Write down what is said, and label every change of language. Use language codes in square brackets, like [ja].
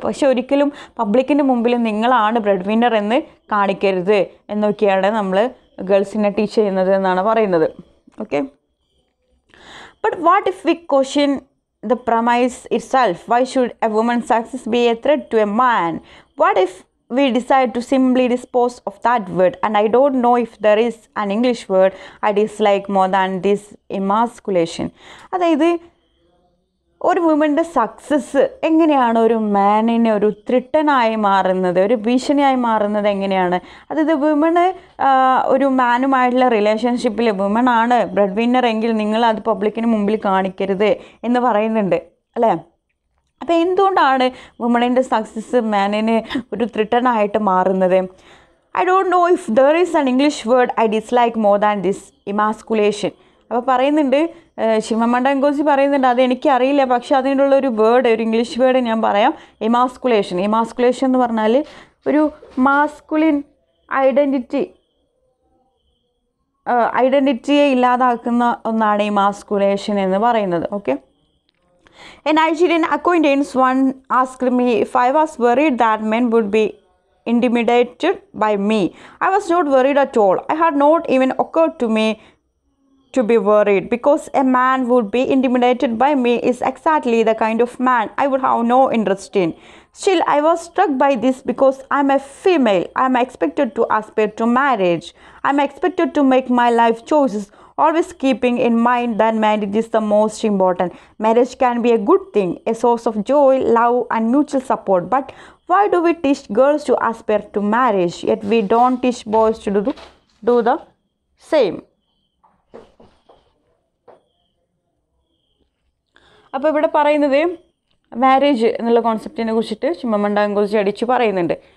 [ml] പക്ഷേ ഒരിക്കലും പബ്ലിക്കിൻ്റെ മുമ്പിൽ നിങ്ങളാണ് ബ്രെഡ് വിന്നർ എന്ന് കാണിക്കരുത് എന്നൊക്കെയാണ് നമ്മൾ ഗേൾസിനെ ടീച്ച് ചെയ്യുന്നത് എന്നാണ് പറയുന്നത്. [en] Okay, but what if we question the premise itself? Why should a woman success be a threat to a man? What if we decide to simply dispose of that word. And I don't know if there is an English word I dislike more than this emasculation. [ml] അതായത് ഒരു വുമൻ്റെ success എങ്ങനെയാണ് ഒരു മാനിനെ ഒരു ത്രിട്ടനായി മാറുന്നത്, ഒരു ഭീഷണിയായി മാറുന്നത് എങ്ങനെയാണ്? അതായത് വുമണ് ഒരു മാനുമായിട്ടുള്ള റിലേഷൻഷിപ്പിൽ വുമണാണ് ബ്രെഡ്വിന്നർ എങ്കിൽ നിങ്ങൾ അത് പബ്ലിക്കിന് മുമ്പിൽ കാണിക്കരുത് എന്ന് പറയുന്നുണ്ട് അല്ലേ. അപ്പം എന്തുകൊണ്ടാണ് വുമണിൻ്റെ സക്സസ് മാനിന് ഒരു ത്രിട്ടനായിട്ട് മാറുന്നത്? [en] I don't know if there is an English word I dislike more than this emasculation. [ml] അപ്പോൾ പറയുന്നുണ്ട് ചിമമണ്ട എൻഗോസി പറയുന്നുണ്ട് അത് എനിക്കറിയില്ല, പക്ഷേ അതിനുള്ള ഒരു വേർഡ് ഒരു ഇംഗ്ലീഷ് വേർഡ് ഞാൻ പറയാം, ഇമാസ്കുലേഷൻ. ഇമാസ്കുലേഷൻ എന്ന് പറഞ്ഞാൽ ഒരു മാസ്കുലിൻ ഐഡൻറ്റിറ്റി ഐഡൻറ്റിറ്റിയെ ഇല്ലാതാക്കുന്ന ഒന്നാണ് ഇമാസ്കുലേഷൻ എന്ന് പറയുന്നത്. Okay. [en] An Algerian acquaintance once asked me if I was worried that men would be intimidated by me. I was not worried at all. I had not even occurred to me to be worried, because a man would be intimidated by me is exactly the kind of man I would have no interest in. Still, I was struck by this because I'm a female. I'm expected to aspire to marriage. I'm expected to make my life choices. Always keeping in mind that marriage is the most important. Marriage can be a good thing, a source of joy, love and mutual support. But why do we teach girls to aspire to marriage, yet we don't teach boys to do the same? [ml] അപ്പോൾ ഇവിടെ പറയുന്നത് marriage എന്നുള്ള കോൺസെപ്റ്റിനെ കുറിച്ചിട്ട് ചിമമണ്ട Ngozi അടിച്ചു പറയുന്നുണ്ട്.